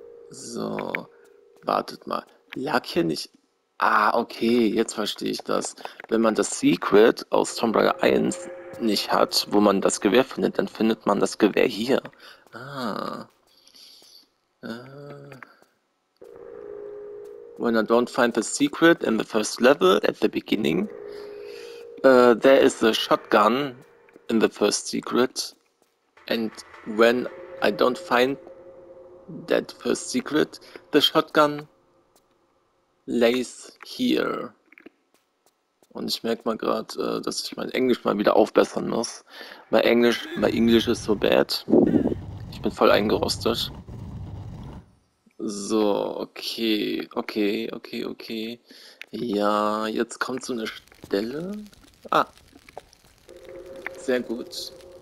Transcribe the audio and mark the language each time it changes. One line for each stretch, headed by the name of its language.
German: So, wartet mal. Lag hier nicht. Ah, okay, jetzt verstehe ich das. Wenn man das Secret aus Tomb Raider 1 nicht hat, wo man das Gewehr findet, dann findet man das Gewehr hier. Ah.
English: When I don't find the secret in the first level at the beginning. There is a shotgun in the first secret. And when I don't find that first secret, the shotgun lays here.
German: Und ich merke mal gerade, dass ich mein Englisch mal wieder aufbessern muss. Mein Englisch ist so bad. Ich bin voll eingerostet. So, okay. Ja, jetzt kommt so eine Stelle. Ah. Sehr gut.